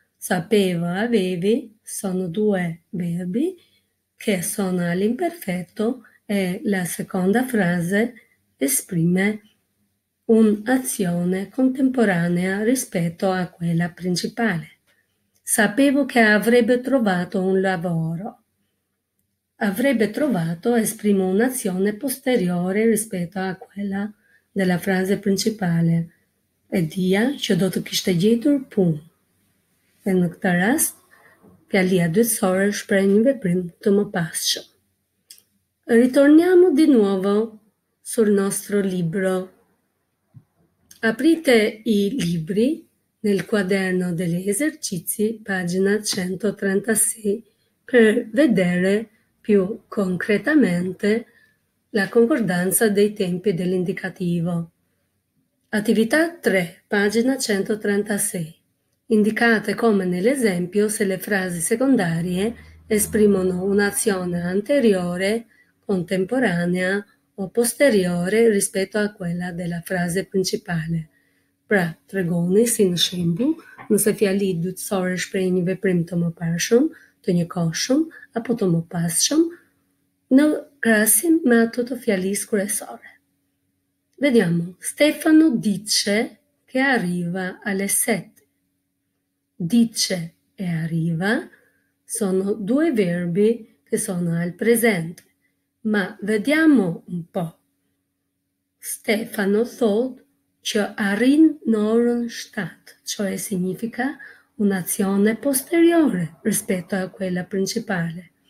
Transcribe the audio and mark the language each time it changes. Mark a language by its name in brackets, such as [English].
[Italian] Sapevo, avevi, sono due verbi che sono all'imperfetto e la seconda frase esprime un'azione contemporanea rispetto a quella principale. Sapevo che avrebbe trovato un lavoro. Avrebbe trovato, esprime un'azione posteriore rispetto a quella della frase principale. [Albanian] dija që do të kishte gjetur punë. Dhe në këtë rast, fjalia dytësore shpreh një veprim të mëpasshëm. [Italian] Ritorniamo di nuovo sul nostro libro. Aprite i libri nel quaderno degli esercizi, pagina 136, per vedere più concretamente la concordanza dei tempi dell'indicativo. Attività 3, pagina 136. Indicate come nell'esempio se le frasi secondarie esprimono un'azione anteriore, contemporanea o posteriore rispetto a quella della frase principale. [Albanian] Pra tregoni si në shembull, nëse fjali dytësore shpreh një veprim të mëparshëm, të njëkohshëm apo të mëpasshëm në krasim me ato të fjalisë kryesore. [Italian] Vediamo. Stefano dice che arriva alle 7. Dice e arriva sono due verbi che sono al presente. Ma vediamo un po'. [Albanian] Stefano thot që arrin në orën 7, [Italian] cioè significa un'azione posteriore rispetto a quella principale.